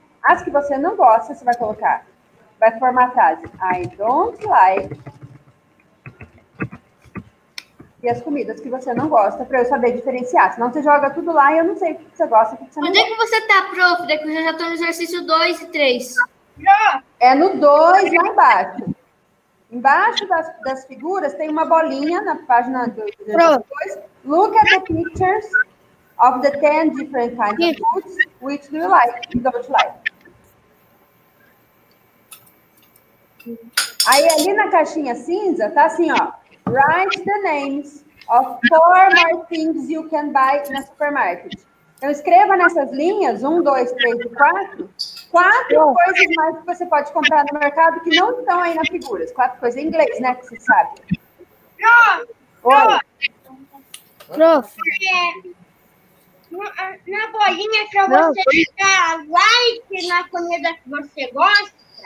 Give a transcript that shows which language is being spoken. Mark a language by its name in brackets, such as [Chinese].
[Portuguese] As que você não gosta, você vai colocar, vai formatar [English] I don't like [Portuguese] e as comidas que você não gosta, para eu saber diferenciar. Senão você joga tudo lá e eu não sei o que você gosta, o que você não gosta. Onde é que você tá, prof? Eu já estou no exercício 2 e 3. É no 2, lá embaixo. Embaixo das figuras tem uma bolinha na página 2. [English] Look at the pictures of the 10 different kinds of foods. Which do you like? Don't you like? [Portuguese] Aí ali na caixinha cinza tá assim, ó. [English] Write the names of 4 more things you can buy na supermarket. [Portuguese] Então escreva nessas linhas, 1, 2, 3 e 4, 4 coisas mais que você pode comprar no mercado que não estão aí na figura. 4 coisas em inglês, né, que você sabe. Prof. Na bolinha que você dá like na comida que você gosta.